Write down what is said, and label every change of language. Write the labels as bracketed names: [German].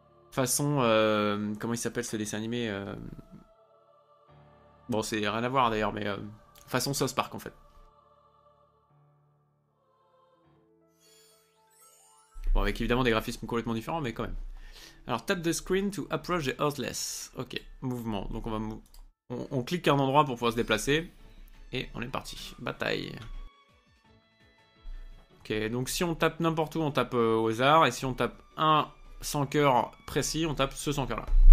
[French] Façon. Comment il s'appelle ce dessin animé Bon, c'est rien à voir d'ailleurs, mais. Façon South Park en fait. Bon, avec évidemment des graphismes complètement différents, mais quand même. [English] Alors, tap the screen to approach the Earthless. [French] Ok, mouvement. Donc, on clique à un endroit pour pouvoir se déplacer. Et on est parti. Bataille. Ok, donc si on tape n'importe où, on tape au hasard. Et si on tape un sans cœur précis, on tape ce sans cœur-là.